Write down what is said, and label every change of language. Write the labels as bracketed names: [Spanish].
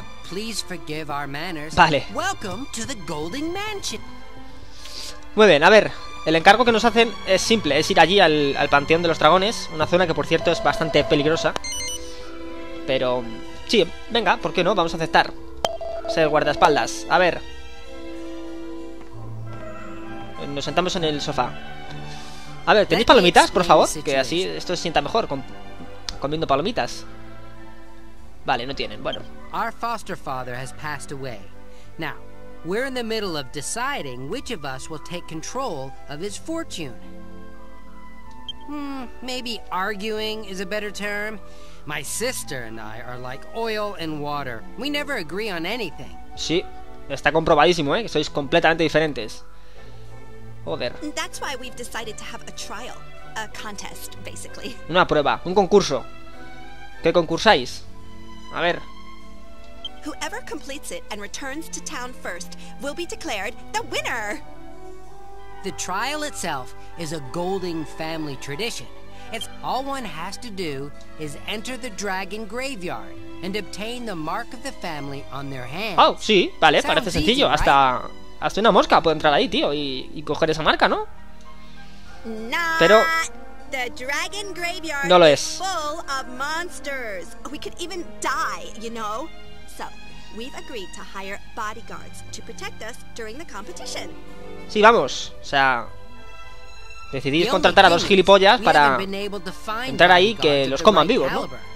[English] Please forgive our manners. [Spanish] Vale. [English] Welcome to the Golden Mansion. [Spanish] Muy bien, a ver. El encargo que nos hacen es simple, es ir allí al Panteón de los Dragones, una zona que por cierto es bastante peligrosa. Pero, sí, venga, ¿por qué no? Vamos a aceptar ser guardaespaldas. A ver. Nos sentamos en el sofá. A ver, ¿tenéis palomitas, por favor? Que así esto se sienta mejor, comiendo palomitas. Vale, no tienen, bueno. [English] Our foster father has passed away. Now. We're in the middle of deciding which of us will take control of his fortune. Maybe arguing is a better term. My sister and I are like oil and water. We never agree on anything. [Spanish] Sí, está comprobadísimo, ¿eh? Que sois completamente diferentes. Joder. [English] That's why we've decided to have a trial, a contest, basically. [Spanish] Una prueba, un concurso. ¿Qué concursáis? A ver. [English] Whoever completes it and returns to town first will be declared the winner. The trial itself is a Golding family tradition. It's all one has to do is enter the dragon graveyard and obtain the mark of the family on their hand. [Spanish] Oh, sí, vale, parece sencillo. Hasta una mosca puede entrar ahí, tío, y coger esa marca, ¿no? Pero [English] the dragon graveyard [Spanish] no lo es. [English] Full of monsters. We could even die, you know? We've agreed to hire bodyguards to protect us during the competition. [Spanish] Sí, vamos. O sea, decidís contratar a dos gilipollas para entrar ahí que los coman vivos, ¿no?